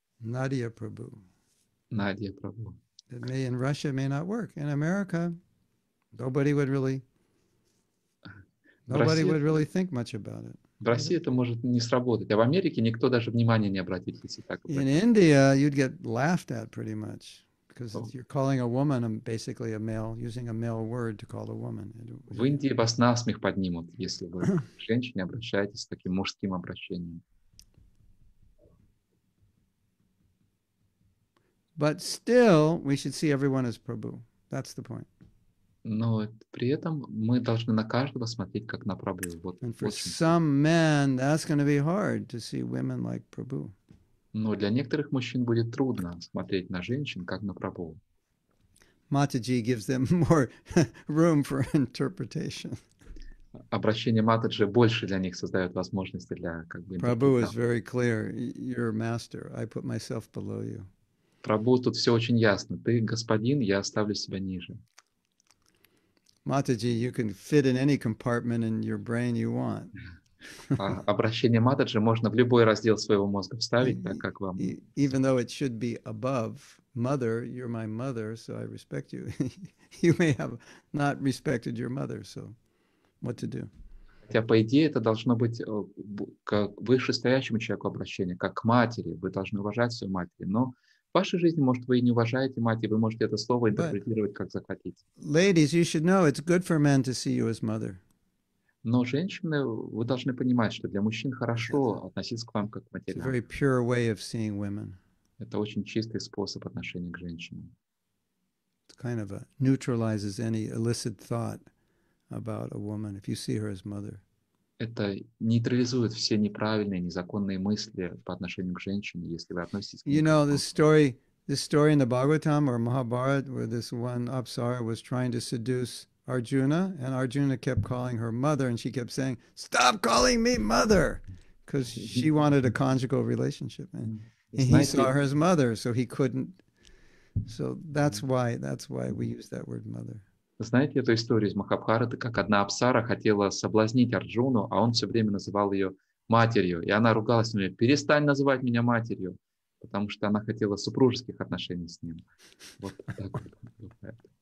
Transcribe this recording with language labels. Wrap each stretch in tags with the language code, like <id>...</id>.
<en>Nadia Prabhu. Nadia Prabhu. It may in Russia may not work. In America, nobody would really think much about it.</en> <ru>В России это может не сработать, а в Америке никто даже внимания не обратит, если так.</ru> <en>In India, you'd get laughed at pretty much, because you're calling a woman basically a male, using a male word to call a woman.</en> <ru>В Индии вас насмех поднимут, если вы к женщине обращаетесь с таким мужским обращением.</ru> <en>But still, we should see everyone as Prabhu. That's the point.</en> <ru>Но при этом мы должны на каждого смотреть как на Прабху. Вот,</ru> <en>and for some men, that's going to be hard to see women like Prabhu.</en> <ru>Но для некоторых мужчин будет трудно смотреть на женщин как на Прабху.</ru> <en>Mataji gives them more room for interpretation.</en> <ru>Обращение Матаджи больше для них создает возможности для как бы.</ru> <en>Prabhu is very clear. You're master. I put myself below you.</en> <ru>Прабху тут все очень ясно. Ты господин, я ставлю себя ниже.</ru> <en>Mataji, you can fit in any compartment in your brain you want.</en> <ru>Обращение Матаджи можно в любой раздел своего мозга вставить, так как вам.</ru> <en>Even though it should be above mother, you're my mother, so I respect you. You may have not respected your mother, so what to do?</en> <ru>Хотя, по идее, это должно быть как вышестоящему человеку обращение, как к матери. Вы должны уважать свою мать, но в вашей жизни, может, вы и не уважаете мать, и вы можете это слово интерпретировать, как захотите.</ru> <en>Ladies, you should know it's good for men to see you as mother.</en> <ru>Но женщины, вы должны понимать, что для мужчин хорошо относиться к вам как к матери.</ru> <en>It's a very pure way of seeing women.</en> <ru>Это очень чистый способ отношения к женщинам.</ru> <en>It kind of neutralizes any illicit thought about a woman if you see her as mother.</en> <ru>Это нейтрализует все неправильные, незаконные мысли по отношению к женщине, если вы относитесь к ней.</ru> <en>You know, this story in the Bhagavatam or Mahabharata, where this one apsara was trying to seduce Arjuna, and Arjuna kept calling her mother, and she kept saying, "Stop calling me mother," because she wanted a conjugal relationship, and he saw her as mother, so he couldn't. So that's why we use that word mother.</en> <ru>Знаете эту историю из Махабхараты, как одна апсара хотела соблазнить Арджуну, а он все время называл ее матерью. И она ругалась на нее, перестань называть меня матерью, потому что она хотела супружеских отношений с ним. Вот так вот.</ru>